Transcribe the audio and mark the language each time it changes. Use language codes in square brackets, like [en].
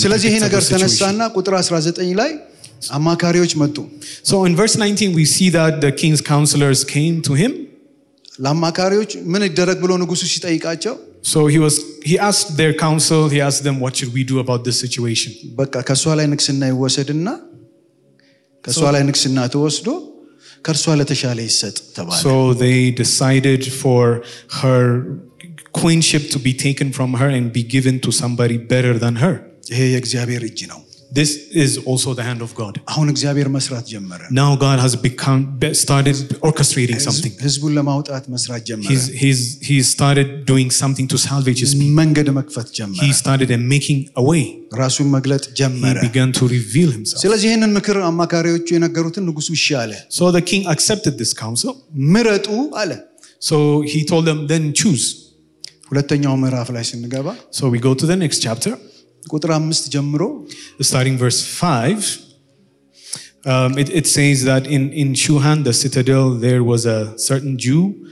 [am] ስለዚህ ይሄ ነገር ተነሳና ቁጥር 19 ላይ አማካሪዎች መጡ. [en] So in verse 19 we see that the king's counselors came to him. [am] ለአማካሪዎች ምን ይደረግ ብሎ ንጉሱ ሲጠይቃቸው. [en] So he asked their counsel, he asked them what should we do about this situation. [am] በቃ ከሷ ላይ ንግስና ተወስዶ ከርሷ ለተሻለ ይሰጥ ተባለ. [en] So they decided for her queenship to be taken from her and be given to somebody better than her. [am] ይሄ የእግዚአብሔር እጅ ነው. [en] This is also the hand of God. [am] አሁን እግዚአብሔር መስራት ጀመረ. [en] Now God has started orchestrating something. [am] ህዝቡን ለማውጣት መስራት ጀመረ. [en] He started doing something to salvage his people. [am] መንገድ መክፈት ጀመረ. [en] He started making a way. [am] ራሱን መግለጥ ጀመረ. [en] He began to reveal himself. [am] ስለዚህ ይሄንን ምክር አማካሪዎቹ የነገሩትን ንጉሱ ሻለ. [en] So the king accepted this counsel. [am] ምረጡ አለ. [en] So he told them then choose. [am] ሁለተኛው ምዕራፍ ላይ ስንገባ. [en] So we go to the next chapter. [am] ቁጥር 5 ጀምሮ [en] starting verse 5 it says that in Shuhan the citadel there was a certain Jew